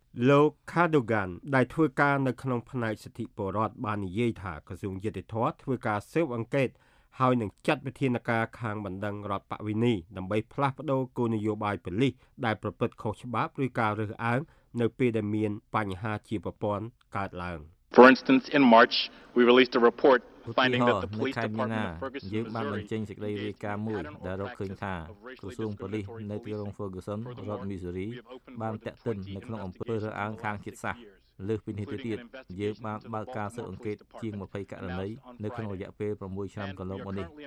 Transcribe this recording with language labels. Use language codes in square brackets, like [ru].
[km] លោក Cadogan ដែលធ្វើការនៅក្នុងផ្នែកសិទ្ធិពលរដ្ឋបាននិយាយថាក្រសួងយុត្តិធម៌ធ្វើការស៊ើបអង្កេតហើយនឹងចាត់វិធានការខាងបណ្ដឹងរដ្ឋបវេណីដើម្បីផ្លាស់ប្ដូរគោលនយោបាយប៉ូលីសដែលប្រព្រឹត្តខុសច្បាប់ឬការរើសអើងនៅពេលដែលមានបញ្ហាជាប្រព័ន្ធកើតឡើង [en] For instance in March we released a reportfinding that the police department in Ferguson [km] យើងបានបញ្ចេញសេចក្តីរាយការណ៍មួយដែលរកឃើញថាក្រសួងប៉ូលីសនៅទីក្រុង Ferguson រដ្ឋ Missouri បានតាក់ទិននៅក្នុងអំពើរើសអើងខាងជាតិសាសន៍លើសពីនេះទៅទៀតយើងបានបើកការស៊ើបអង្កេតជាង20ករណីនៅក្នុងរយៈពេល6ឆ្នាំកន្លងមកនេះ